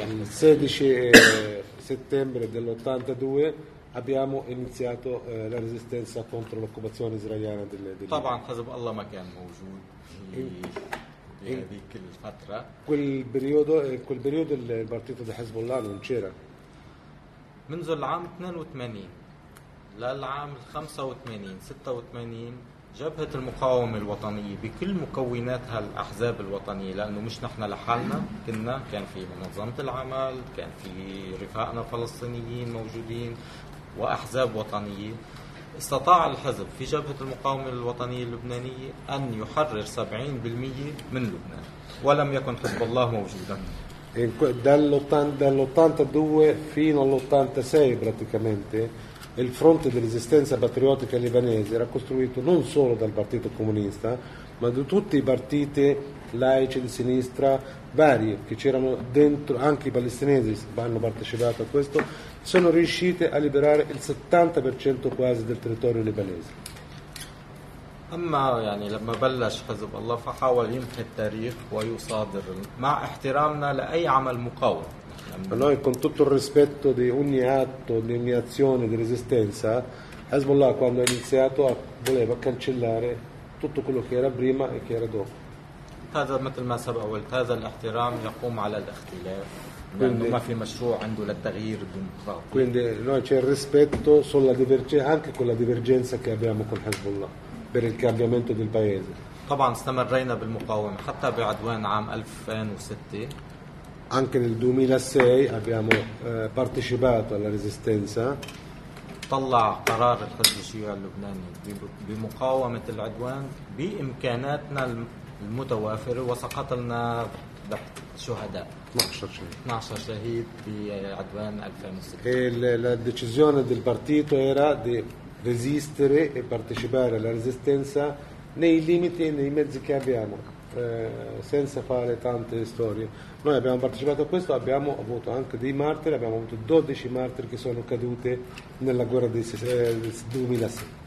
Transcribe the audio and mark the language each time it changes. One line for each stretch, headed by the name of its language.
Italian: 16 سبتمبر 1982 abbiamo iniziato la resistenza contro l'occupazione israeliana del
Arabic: طبعا حزب الله ما كان موجود في هذيك الفترة.
Italian: quel periodo il partito di Hezbollah non c'era.
Arabic: منذ العام 82 للعام 85 86 جبهة المقاومة الوطنية بكل مكوناتها الأحزاب الوطنية، لأنه مش نحن لحالنا، كان في منظمة العمل، كان في رفاقنا الفلسطينيين موجودين وأحزاب وطنية. استطاع الحزب في جبهة المقاومة الوطنية اللبنانية أن يحرر 70% من لبنان، ولم يكن حزب الله موجودا.
Italian: dall'82 fino all'86 praticamente il fronte di resistenza patriottica libanese era costruito non solo dal Partito Comunista ma da tutti i partiti laici di sinistra vari che c'erano dentro. Anche i palestinesi hanno partecipato a questo, sono riusciti a liberare il 70% quasi del territorio libanese.
Arabic: اما يعني لما بلش حزب الله فحاول يمحي التاريخ ويصادر مع احترامنا لاي عمل مقاوم.
Italian: noi con tutto il rispetto di ogni atto di ogni azione di resistenza Hezbollah quando ha iniziato voleva cancellare tutto quello che era prima e che era dopo.
Arabic: هذا مثل ما سبق قلت، هذا الاحترام يقوم على الاختلاف، لأنه ما في مشروع عنده للتغيير الديمقراطي.
Italian: quindi noi c'è il rispetto sulla divergenza anche con la divergenza che abbiamo con Hezbollah per il cambiamento del paese.
Arabic: طبعا استمرينا بالمقاومة حتى بعدوان عام 2006.
Italian: anche nel 2006 abbiamo partecipato alla resistenza.
Arabic: طلع قرار الحزب الشيوعي اللبناني بمقاومة العدوان بإمكاناتنا المتوافرة وسقطلنا شهداء 12 شهيد في عدوان 2006.
Italian: la decisione del partito era di resistere e partecipare alla resistenza nei limiti e nei mezzi che abbiamo, senza fare tante storie. Noi abbiamo partecipato a questo, abbiamo avuto anche dei martiri, abbiamo avuto 12 martiri che sono cadute nella guerra del 2006.